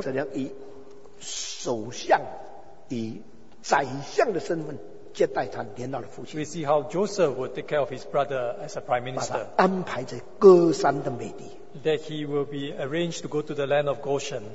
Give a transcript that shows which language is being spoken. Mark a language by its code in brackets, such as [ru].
[zh] 怎样以首相、以宰相的身份接待他年老的父亲。 [en] We see how Joseph would take care of his brother as a prime minister. [zh] 把他安排在歌山的美地。 [en] That he will be arranged to go to the land of Goshen.